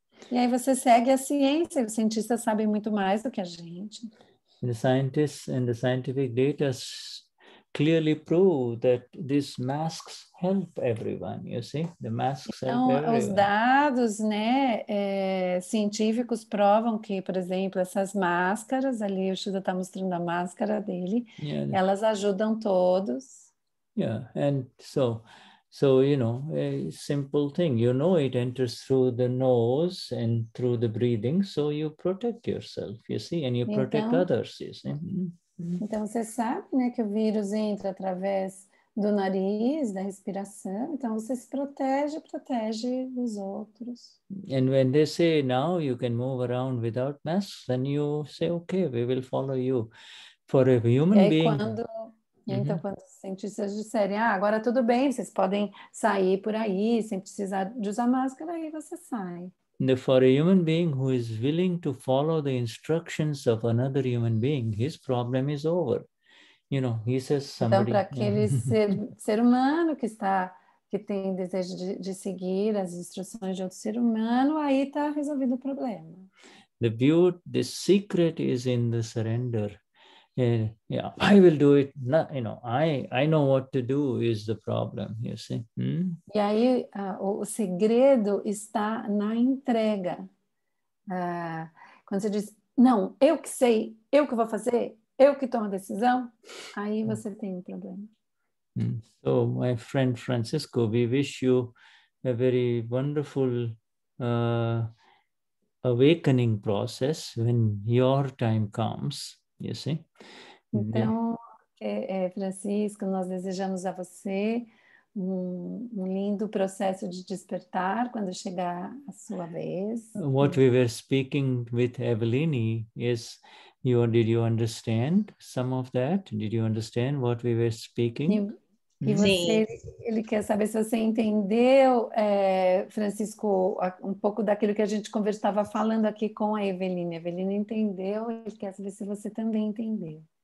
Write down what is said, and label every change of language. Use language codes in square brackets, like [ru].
[pt] E aí você segue a ciência, os cientistas sabem muito mais do que a gente. [en] And the scientists and the scientific data clearly prove that these masks help everyone, you see? The masks [pt] então, [en] help everyone. [pt] Os dados, né, científicos provam que, por exemplo, essas máscaras, ali o Shuda está mostrando a máscara dele, elas ajudam todos. [en] Yeah, and so, you know, a simple thing. You know it enters through the nose and through the breathing, so you protect yourself, you see? And you protect others, you see? [pt] Então, você sabe, né, que o vírus entra através do nariz, da respiração. Então, você se protege, protege os outros. [en] And when they say, now you can move around without masks, then you say, okay, we will follow you for a human being. [pt] Então, quando os cientistas disserem, ah, agora tudo bem, vocês podem sair por aí sem precisar de usar máscara, aí você sai. [en] For a human being who is willing to follow the instructions of another human being, his problem is over. You know, he says somebody... [pt] Então, para aquele ser humano que está, que tem desejo de seguir as instruções de outro ser humano, aí está resolvido o problema. [en] The beauty, the secret is in the surrender. Yeah, I will do it. No, you know, I know what to do is the problem, you see. Hmm? [pt] E aí, o segredo está na entrega. Quando você diz, não, eu que sei, eu que vou fazer, eu que tomo a decisão, aí você tem um problema. [en] So, my friend Francisco, we wish you a very wonderful awakening process when your time comes. You see? [pt] Então, Francisco, nós desejamos a você um lindo processo de despertar quando chegar a sua vez. [en] What we were speaking with Eveline is, did you understand some of that? Did you understand what we were speaking? [pt] E você, ele quer saber se você entendeu, Francisco, um pouco daquilo que a gente conversava falando aqui com a Eveline. A Eveline entendeu, ele quer saber se você também entendeu.